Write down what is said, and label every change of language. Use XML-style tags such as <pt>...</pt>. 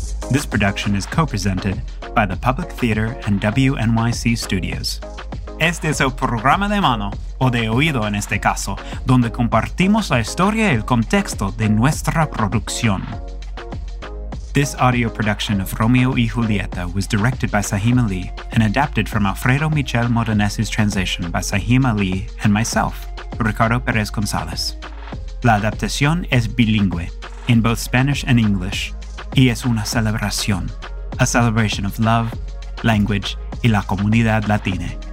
<en>This production is co-presented by the Public Theater and WNYC Studios.</en> <es>Este es el programa de mano, o de oído en este caso, donde compartimos la historia y el contexto de nuestra producción.</es> <en>This audio production of Romeo y Julieta was directed by Sahim Ali and adapted from Alfredo Michel Modanese's translation by Sahim Ali and myself, Ricardo Perez González.</en> <es>La adaptación es bilingüe,</es> <en>in both Spanish and English,</en> <es>y es una celebración,</es> <en>a celebration of love, language,</en> <es>y la comunidad latina.</es>